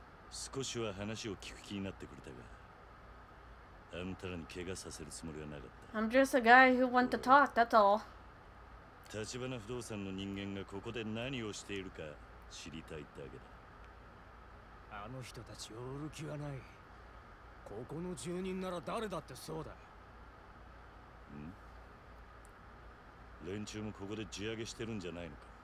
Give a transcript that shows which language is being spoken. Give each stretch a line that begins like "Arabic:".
Japanese: 少しは話を聞く気になってくれたが、あんたらに怪我させるつもりはなかった。
English: I'm just a guy who wants to talk, that's all.
Japanese: 立花不動産の人間がここで何をしているか知りたいだけだ。あの人たちを売る気はない。ここの住人なら誰だってそうだ。ん？連中もここで地上げしてるんじゃないのか。